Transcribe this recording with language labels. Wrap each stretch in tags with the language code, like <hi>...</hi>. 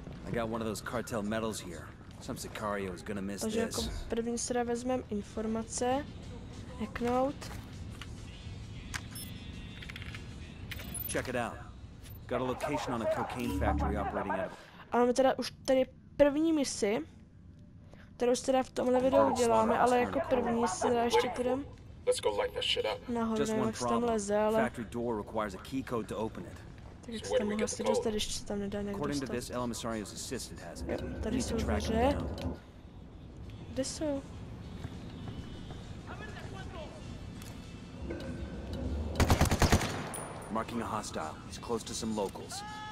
<en>Got one of those cartel medals here. Some sicario is gonna miss this.</en> <cs>Jako první si teda vezmeme informace. Hacknout.</cs> <en>Check it out. Got a location on a cocaine factory operating out of.</en> <cs>A máme teda už tady první misi, kterou si teda v tomhle videu uděláme, ale jako první si teda ještě půjdem.</cs> <en>Let's go light that shit up.</en> <cs>Nahoru,</cs> <en>just one</en> <cs>jak tam leze, ale...</cs> <en>Factory door requires a key code to open it.</en> <cs>Tak jak se tam mohla se dostat, ještě se tam nedá nějak dostat.</cs> <en>This, El Emissario's assistant has it.</en> <cs>Tady jsou dveře. Kde jsou?</cs> <en>Marking a hostile. He's close to some locals.</en>